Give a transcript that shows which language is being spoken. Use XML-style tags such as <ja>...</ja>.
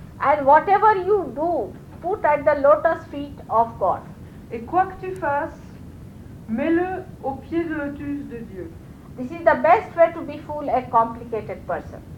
<en>And whatever you do, put at the lotus feet of God.</en> <fr>Et quoi que tu fasses, mets-le au pied de lotus de Dieu.</fr> <en>This is the best way to befool a complicated person.</en>